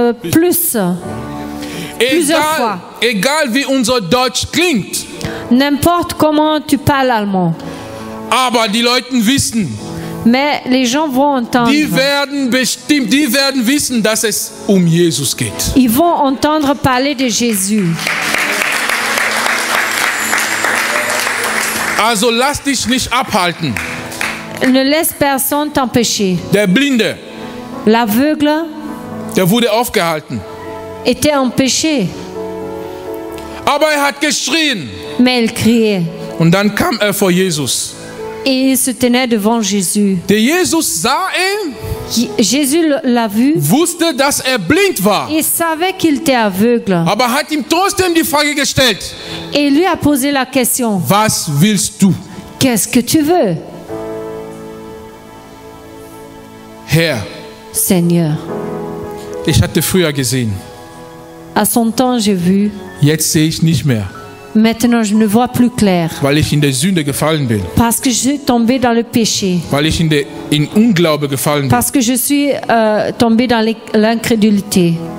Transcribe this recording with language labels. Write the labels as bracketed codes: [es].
[fr] plusieurs fois. [de] Egal wie unser Deutsch klingt. [fr] N'importe comment tu parles allemand. [de] Aber die Leute wissen. [fr] Mais les gens vont entendre. [de] Die werden bestimmt, die werden wissen, dass es Jesus geht. [fr] Ils vont entendre parler de Jésus. [de] Also lass dich nicht abhalten. [fr] Ne laisse personne t'empêcher. [de] Der Blinde. [fr] L'aveugle. [de] Der wurde aufgehalten. [fr] Était empêché. [de] Aber er hat geschrien. [fr] Mais il criait. [de] Und dann kam er vor Jesus. [fr] Et il se tenait devant Jésus. [de] Der Jesus sah ihn. [fr] Jésus l'a vu. [de] Wusste, dass er blind war. [fr] Il savait qu'il était aveugle. [de] Aber hat ihm trotzdem die Frage gestellt. [fr] Et lui a posé la question. [de] Was willst du? [fr] Qu'est-ce que tu veux? [de] Herr. [fr] Seigneur. [de] Ich hatte früher gesehen. [fr] À son temps, j'ai vu. [de] Jetzt sehe ich nicht mehr. [fr] Maintenant, je ne vois plus clair. [de] Weil ich in der Sünde gefallen bin. [fr] Parce que je suis tombé dans le péché. [de] Weil ich in Unglaube gefallen bin. [fr] Parce que je suis tombé dans l'incrédulité.